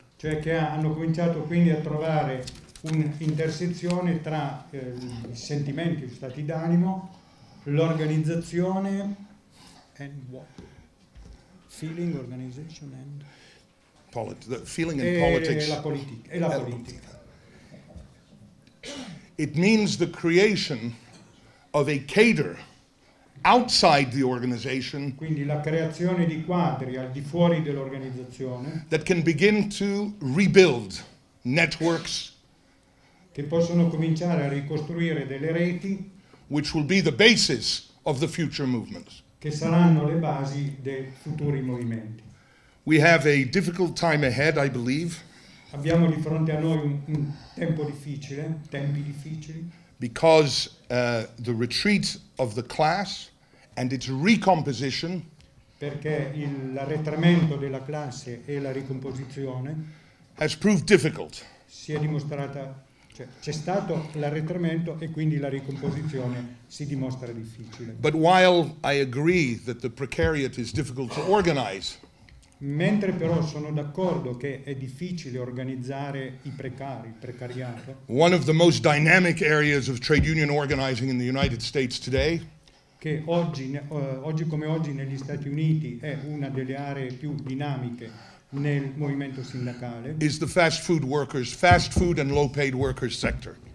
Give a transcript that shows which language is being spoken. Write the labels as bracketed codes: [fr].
[it] Cioè che hanno cominciato quindi a trovare un'intersezione tra i sentimenti, gli stati d'animo, l'organizzazione [en] and what? Feeling, organization, and feeling and politics. [it] La politica. [en] It means the creation of a cadre outside the organization. [it] Quindi la creazione di quadri al di fuori dell'organizzazione. [en] That can begin to rebuild networks. [it] Che possono cominciare a ricostruire delle reti. [en] Which will be the basis of the future movements. [it] Che saranno le basi dei futuri movimenti. [en] We have a difficult time ahead, I believe. [it] abbiamo di fronte a noi un tempo difficile, tempi difficili. [en] Because the retreat of the class and its recomposition. [it] Perché l'arretramento della classe e la ricomposizione. [en] Has proved difficult. [it] Si è dimostrata, cioè, c'è stato l'arretramento e quindi la ricomposizione si dimostra difficile. [en] But while I agree that the precariat is difficult to organize. [it] Mentre però sono d'accordo che è difficile organizzare i precari, il precariato. [en] One of the most dynamic areas of trade union organizing in the United States today. [it] Che oggi, oggi come oggi negli Stati Uniti è una delle aree più dinamiche nel movimento sindacale. [en] Is the fast food workers, fast food and low paid workers sector.